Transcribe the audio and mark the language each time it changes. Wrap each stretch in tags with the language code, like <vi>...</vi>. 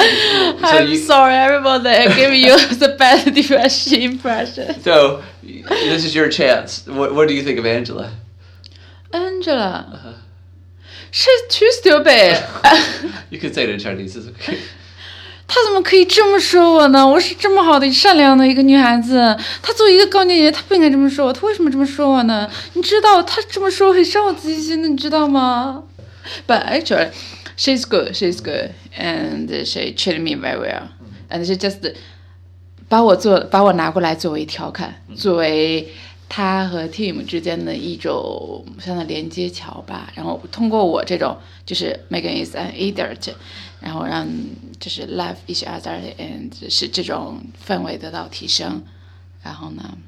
<en>Sorry, everyone, that I gave you the bad depression impression. So, this is your chance. What do you think of Angela? Angela? She's too stupid. You can say it in Chinese, it's okay.</en> <zh>她怎么可以这么说我呢？我是这么好的、善良的一个女孩子，她作为一个高年级，她不应该这么说我，她为什么这么说我呢？你知道她这么说很伤我自信心的，你知道吗？</zh> <en>But actually,She's good, and she treated me very well. And she just</en> <zh>把我拿过来作为调侃，作为她和 Tim 之间的一种像的连接桥吧。然后通过我这种，就是</zh> <en>Megan is an idiot，</en> <zh>然后让就是</zh> <en>love each other and</en> <zh>是这种氛围得到提升。然后呢</zh>